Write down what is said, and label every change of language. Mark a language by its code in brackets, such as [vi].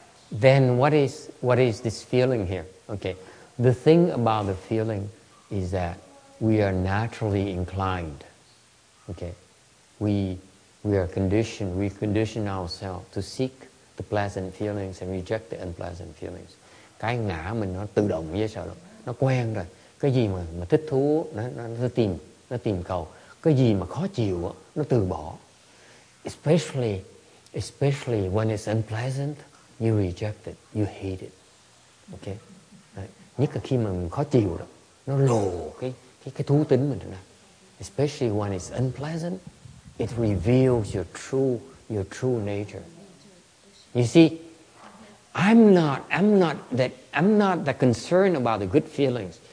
[en] Then what is this feeling here? Okay, the thing about the feeling is that we are naturally inclined. Okay, we are conditioned. We condition ourselves to seek the pleasant feelings and reject the unpleasant feelings. [vi] Cái ngã mình nó tự động như sao đó, nó quen rồi. Cái gì mà thích thú nó tìm cầu, cái gì mà khó chịu nó từ bỏ. [en] Especially when it's unpleasant, you reject it, you hate it. [vi] Okay, nhất là khi mà mình khó chịu đó, nó lồ cái thú tính mình ra. [en] Especially when it's unpleasant, it reveals your true nature. You see, I'm not that concerned about the good feelings.